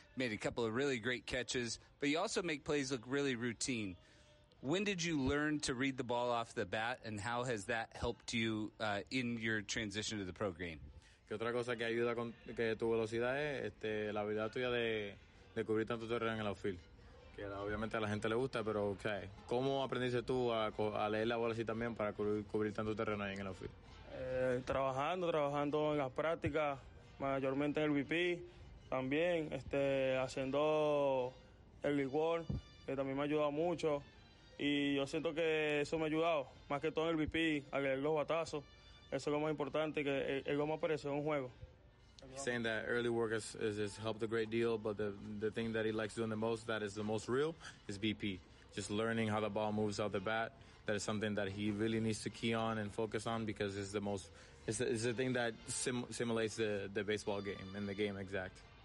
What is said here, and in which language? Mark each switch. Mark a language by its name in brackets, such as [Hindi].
[English] Made a couple of really great catches, but you also make plays look really routine. When did you learn to read the ball off the bat, and how has that helped you in your transition to the pro game? [Spanish] ¿Qué otra cosa que ayuda con que tu velocidad es la habilidad tuya de cubrir tanto terreno en el outfield? Que obviamente a la gente le gusta, pero okay. ¿Cómo aprendiste tú a leer la bola así también para cubrir tanto terreno ahí en el outfield? Trabajando en las prácticas, mayormente en el BP, también haciendo el league work, que también me ha ayudado mucho. Y yo siento que eso me ha ayudado, más que todo en el BP, a leer los batazos. Eso es lo más importante, que es lo más parecido a un juego. [English] He's saying that early work has helped a great deal, but the thing that he likes doing the most, that is the most real, is BP. Just learning how the ball moves out the bat, that is something that he really needs to key on and focus on, because it's the most, it's the thing that simulates the baseball game and the game exact.